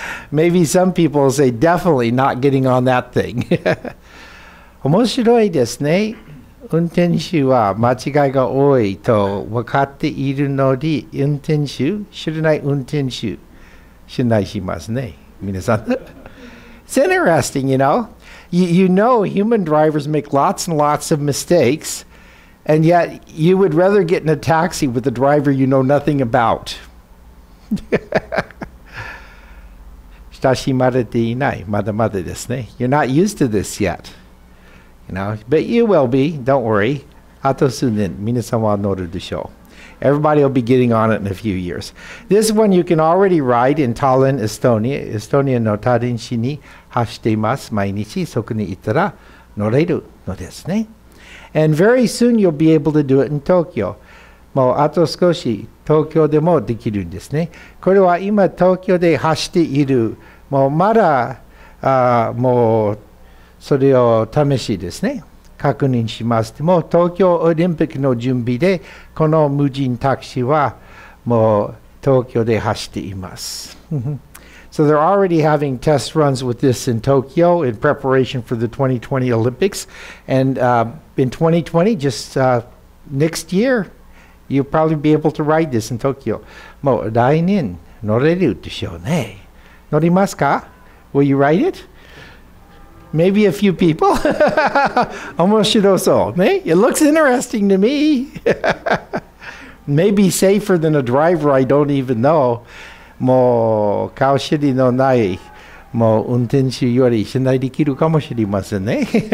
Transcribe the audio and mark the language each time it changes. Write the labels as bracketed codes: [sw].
[en] Maybe some people say definitely not getting on that thing. [ja] 面白いですね。運転手は間違いが多いと分かっているので、運転手、知らない運転手、信頼しますね、皆さん。 [en] It's interesting, you know. You know human drivers make lots and lots of mistakes, and yet you would rather get in a taxi with a driver you know nothing about. [ja] 親しまれていない、まだまだですね。 [en] You're not used to this yet. You know, but you will be, don't worry. [ja] あと数年、皆さんは乗るでしょう。 [en] Everybody will be getting on it in a few years. This one you can already ride in Tallinn, Estonia. [ja] Estonia のタリン市に走っています。毎日そこに行ったら乗れるのですね。 [en] And very soon you'll be able to do it in Tokyo. [ja] もうあと少し東京でもできるんですね。これは今東京で走っている、もうまだ、もうそれを試しですね。確認します。でも東京オリンピックの準備でこの無人タクシーはもう東京で走っています。 [en] So they're already having test runs with this in Tokyo in preparation for the 2020 Olympics. And in 2020, just next year, you'll probably be able to ride this in Tokyo. [ja] もう来年乗れるでしょうね。乗りますか? [en] Will you ride it? Maybe a few people. [ja] 面白そう。ね? [en] It looks interesting to me. Maybe safer than a driver I don't even know. [ja] もう、顔知りのない、もう、運転手より信頼できるかもしれませんね。